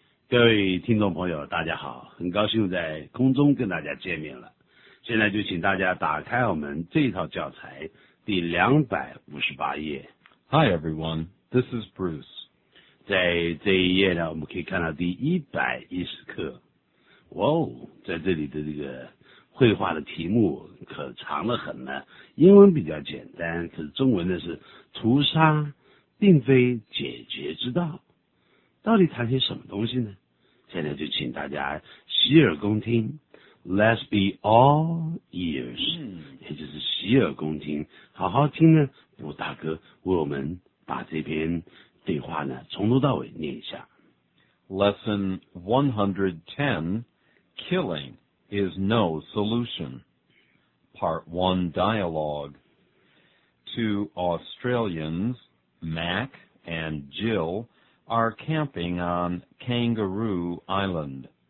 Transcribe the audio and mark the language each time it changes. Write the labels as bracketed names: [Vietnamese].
[Chinese] 各位听众朋友大家好，很高兴在空中跟大家见面了。现在就请大家打开我们这套教材第258页。 [English] Hi everyone, this is Bruce. [Chinese] 在这一页呢，我们可以看到第110课。哇哦，在这里的这个绘画的题目可长了很呢，英文比较简单，可是中文呢是屠杀并非解决之道。到底谈些什么东西呢？现在就请大家洗耳恭听。 [English] Let's be all ears， [Chinese] 也就是洗耳恭听，好好听呢。布大哥为我们把这篇对话呢从头到尾念一下。 [English] Lesson 110, Killing is no solution. Part 1 Dialogue. Two Australians, Mac and Jill,are camping on Kangaroo Island.